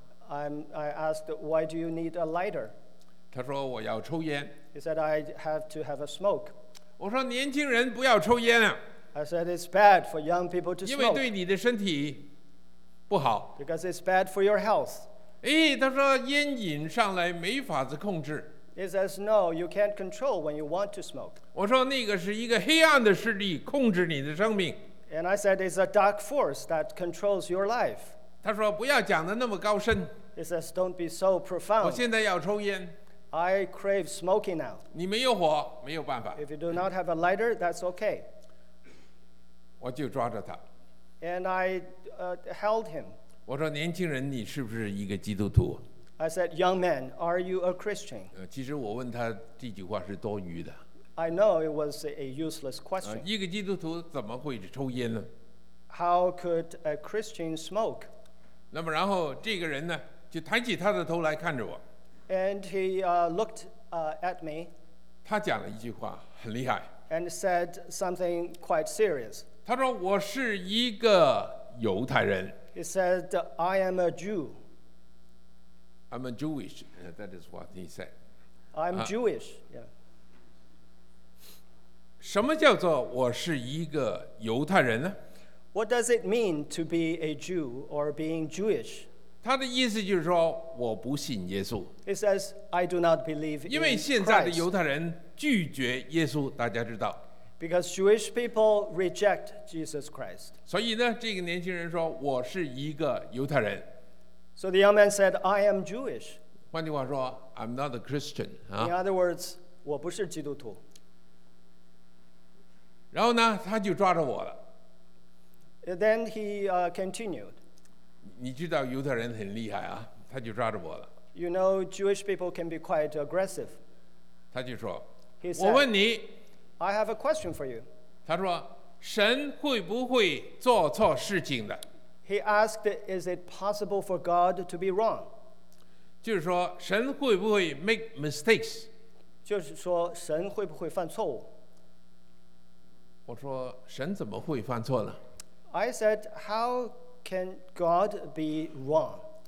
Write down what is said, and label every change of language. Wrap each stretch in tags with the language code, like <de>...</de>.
<en>？I asked, "Why do you need a lighter?"</en> <zh>他说我要抽烟。</zh> <en>He said I have to have a smoke.</en> <zh>我说年轻人不要抽烟啊。</zh> <en>I said it's bad for young people to smoke.</en> <zh>因为对你的身体不好。</zh> <en>Because it's bad for your health.</en> <zh>哎，他说烟瘾上来没法子控制。</zh> <en>He says no, you can't control when you want to smoke.</en> <zh>我说那个是一个黑暗的势力控制你的生命。</zh> <en>And I said it's a dark force that controls your life.</en> <zh>他说不要讲得那么高深。</zh> <en>He says don't be so profound.</en> <zh>我现在要抽烟。</zh> <en>I crave smoking now.</en> <zh>你没有火，没有办法。</zh> <en>If you do not have a lighter, that's okay.</en> <zh>我就抓着他。</zh> <en>And I held him.</en> <zh>我说年轻人，你是不是一个基督徒</zh> <en>？I said, young man, are you a Christian?</en> <zh>其实我问他这句话是多余的。</zh> <en>I know it was a useless question.</en> <zh>一个基督徒怎么会抽烟呢</zh> <en>？How could a Christian smoke?</en> <zh>那么然后这个人呢，就抬起他的头来看着我。</zh> <en>And he looked at me.</en> <zh>他讲了一句话，很厉害。</zh> <en>And said something quite serious.</en> <zh>他说我是一个犹太人。</zh> <en>He said, I am a Jew. I'm a Jewish. That is what he said. I'm Jewish. Yeah.</en> <zh>什么叫做我是一个犹太人呢？</zh> <en>What does it mean to be a Jew or being Jewish?</en> <zh>他的意思就是说我不信耶稣。</zh> <en>He says, I do not believe in Christ.</en> <zh>因为现在的犹太人拒绝耶稣，大家知道。</zh> <en>Because Jewish people reject Jesus Christ.</en> <zh>所以呢，这个年轻人说我是一个犹太人。</zh> <en>So the young man said, I am Jewish.</en> <zh>换句话说</zh> <en>I'm not a Christian. In other words,</en> <zh>我不是基督徒。然后呢，他就抓着我了。</zh> <en>Then he continued.</en> <zh>你知道犹太人很厉害啊，他就抓着我了。</zh> <en>You know, Jewish people can be quite aggressive.</en> <zh>他就说</zh> <en>he said,</en> <zh>我问你</zh> <en>I have a question for you.</en> <zh>他说神会不会做错事情的？</zh> <en>He asked, is it possible for God to be wrong?</en> <zh>就是说神会不会</zh> <en>make mistakes?</en> <zh>就是说神会不会犯错误？我说神怎么会犯错呢？</zh> <en>I said, how can God be wrong?</en>